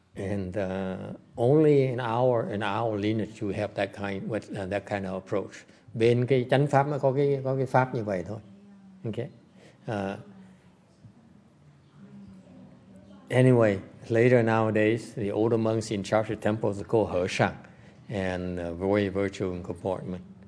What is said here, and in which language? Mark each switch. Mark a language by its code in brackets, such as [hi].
[en] And only in our lineage we have that kind with that kind of approach. [vi] Bên cái chánh pháp mới có cái pháp như vậy thôi. [en] Okay. Anyway, later nowadays the older monks in charge of temples are called Hoshang and very virtuous comportment.